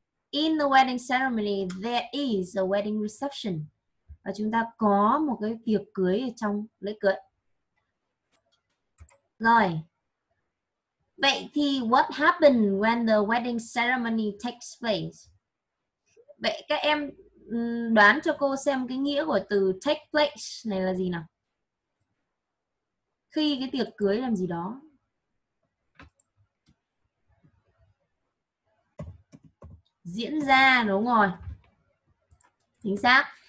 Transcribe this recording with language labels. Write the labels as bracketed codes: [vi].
[en] In the wedding ceremony, there is a wedding reception. [vi] Và chúng ta có một cái tiệc cưới ở trong lễ cưới. Rồi. Vậy thì [en] what happened when the wedding ceremony takes place? [vi] Vậy các em đoán cho cô xem cái nghĩa của từ take place này là gì nào? Khi cái tiệc cưới làm gì đó? Diễn ra, đúng rồi. Chính xác.